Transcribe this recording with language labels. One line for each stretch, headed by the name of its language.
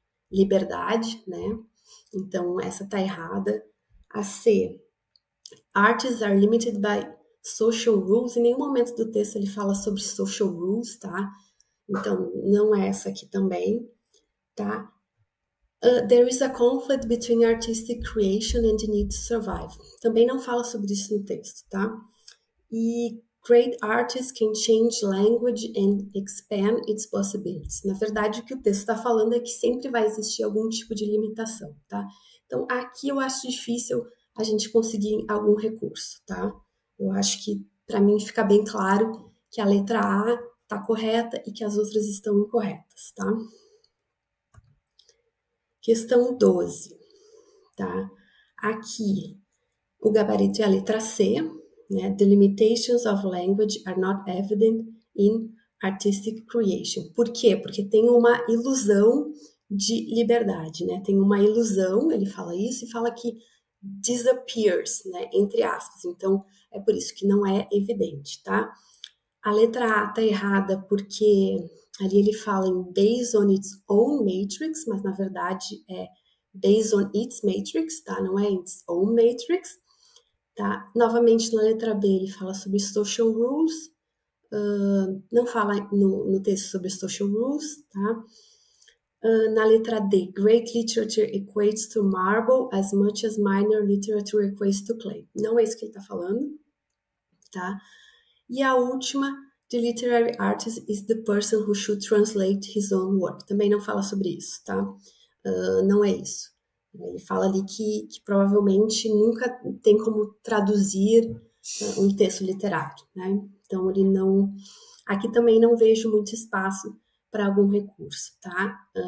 Portuguese: liberdade, né? Então, essa tá errada.
English: A C, artists are limited by social rules.
Portuguese: Em nenhum momento do texto ele fala sobre
English: social rules,
Portuguese: tá? Então, não é essa aqui também, tá?
English: There is a conflict between artistic creation and the need to survive.
Portuguese: Também não fala sobre isso no texto, tá?
English: E great artists can change language and expand its possibilities.
Portuguese: Na verdade, o que o texto está falando é que sempre vai existir algum tipo de limitação, tá? Então, aqui eu acho difícil a gente conseguir algum recurso, tá? Eu acho que, para mim, fica bem claro que a letra A está correta e que as outras estão incorretas, tá? Questão 12, tá? Aqui, o gabarito é a letra C, né?
English: The limitations of language are not evident in artistic creation.
Portuguese: Por quê? Porque tem uma ilusão de liberdade, né? Tem uma ilusão, ele fala isso e fala que disappears, né? Entre aspas. Então, é por isso que não é evidente, tá? A letra A tá errada porque ali ele fala em
English: based on its own matrix,
Portuguese: mas na verdade é
English: based on its matrix,
Portuguese: tá? Não é
English: its own matrix,
Portuguese: tá? Novamente na letra B ele fala sobre
English: social rules,
Portuguese: não fala no texto sobre social rules, tá? Na letra D,
English: great literature equates to marble as much as minor literature equates to clay.
Portuguese: Não é isso que ele tá falando, tá? E a última,
English: the literary artist is the person who should translate his own work.
Portuguese: Também não fala sobre isso, tá? Não é isso. Ele fala ali que provavelmente nunca tem como traduzir um texto literário, né? Então ele não. Aqui também não vejo muito espaço para algum recurso, tá?